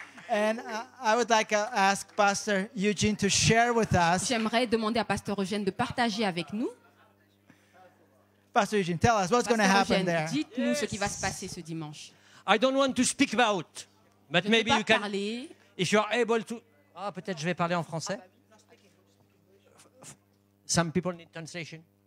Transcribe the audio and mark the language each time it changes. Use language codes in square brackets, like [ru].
[en] And I would like to ask Pastor Eugene to share with us. [fr] J'aimerais demander à Pasteur Eugène de partager avec nous. [en] Pastor Eugene, tell us what's going to happen there. [fr] Dites-nous ce qui va se passer ce dimanche. [en] I don't want to speak about, but [fr] je [en] maybe you can. [fr] Parler. [en] If you are able to. [fr] Peut-être je vais parler en français. [en] Some people need translation.